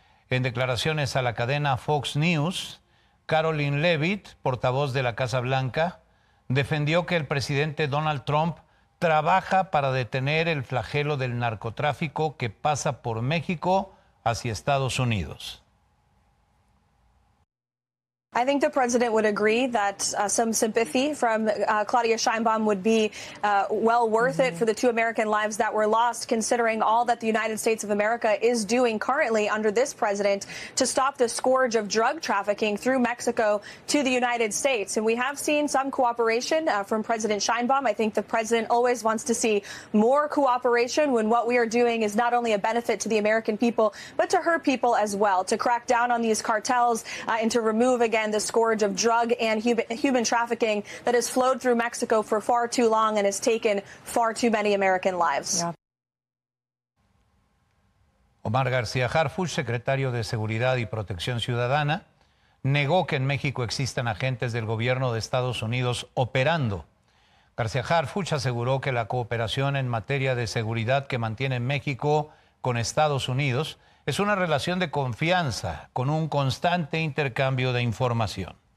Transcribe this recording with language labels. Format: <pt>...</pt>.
<es>En declaraciones a la cadena Fox News, Karoline Leavitt, portavoz de la Casa Blanca, defendió que el presidente Donald Trump trabaja para detener el flagelo del narcotráfico que pasa por México hacia Estados Unidos.</es> <en>I think the president would agree that some sympathy from Claudia Sheinbaum would be well worth it for the two American lives that were lost, considering all that the United States of America is doing currently under this president to stop the scourge of drug trafficking through Mexico to the United States. And we have seen some cooperation from President Sheinbaum. I think the president always wants to see more cooperation when what we are doing is not only a benefit to the American people, but to her people as well, to crack down on these cartels and to remove again, the scourge of drug and human trafficking that has flowed through Mexico for far too long and has taken far too many American lives. Yeah.</en> <es>Omar García Harfuch, secretario de Seguridad y Protección Ciudadana, negó que en México existan agentes del gobierno de Estados Unidos operando. García Harfuch aseguró que la cooperación en materia de seguridad que mantiene México con Estados Unidos es una relación de confianza con un constante intercambio de información.</es>